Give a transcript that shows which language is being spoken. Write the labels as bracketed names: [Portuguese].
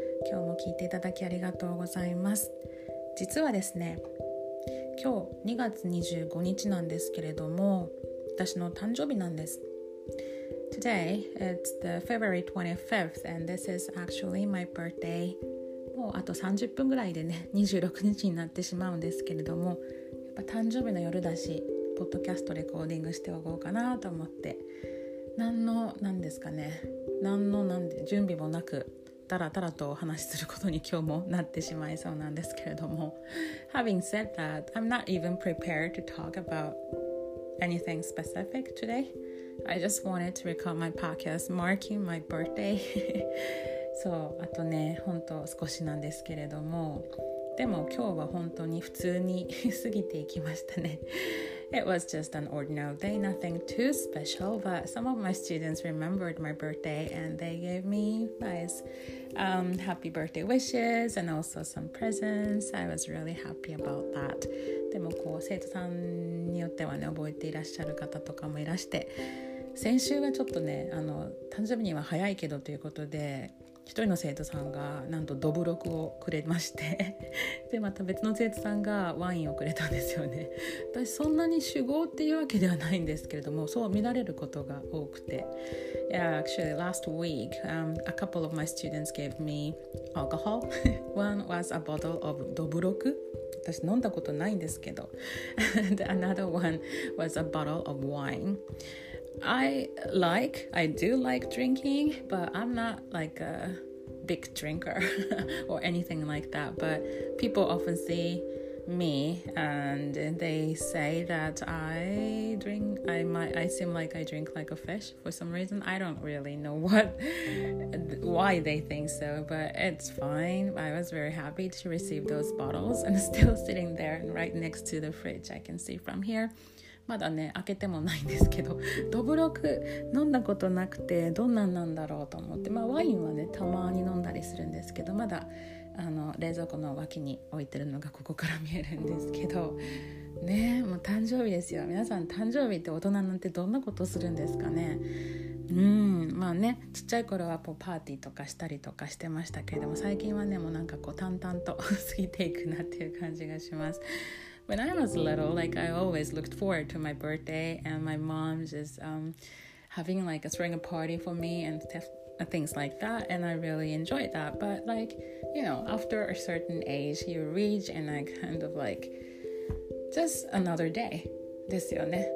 [Japanese] 今日も聞いていただきありがとうございます。実はですね、今日2月25日なんですけれども、私の誕生日なんです。 [English] Today, it's the February 25th, and this is actually my birthday. [Japanese] もうあと30分ぐらいでね、26日になってしまうんですけれども、やっぱ誕生日の夜だし、ポッドキャストレコーディングしておこうかなと思って、準備もなく、たらたらとお話しすることに今日もなってしまいそうなんですけれども。 [English] Having said that, I'm not even prepared to talk about anything specific today. I just wanted to record my podcast marking my birthday. [Japanese] そう、あとね、本当少しなんですけれども、でも今日は本当に普通に過ぎていきましたね。 [English] It was just an ordinary day, nothing too special, but some of my students remembered my birthday and they gave me nice, happy birthday wishes and also some presents. I was really happy about that. [Japanese] でもこう、生徒さんによってはね、覚えていらっしゃる方とかもいらして、先週がちょっとね、誕生日には早いけどということで、一人の生徒さんがなんとドブロクをくれまして、でまた別の生徒さんがワインをくれたんですよね。私そんなに酒豪っていうわけではないんですけれども、そう見られることが多くて。 [English] Yeah, actually last week, a couple of my students gave me alcohol. One was a bottle of ドブロク。 [Japanese] 私飲んだことないんですけど。 [English] And another one was a bottle of wine. I do like drinking, but I'm not like a big drinker or anything like that. But people often see me and they say that I seem like I drink like a fish for some reason. I don't really know why they think so, but it's fine. I was very happy to receive those bottles and still sitting there right next to the fridge. I can see from here. [Japanese] まだね開けてもないんですけど、ドブロク飲んだことなくてどんなんなんだろうと思って、まあワインはねたまに飲んだりするんですけど、まだ冷蔵庫の脇に置いてるのがここから見えるんですけどね。もう誕生日ですよ皆さん。誕生日って大人なんてどんなことするんですかね。まあね、ちっちゃい頃はこうパーティーとかしたりとかしてましたけれども、最近はねもうなんかこう淡々と過ぎていくなっていう感じがします。 [English] When I was little, like I always looked forward to my birthday and my mom just having like a throwing a party for me and things like that, and I really enjoyed that. But like, you know, after a certain age you reach and I kind of like just another day [Japanese] ですよね。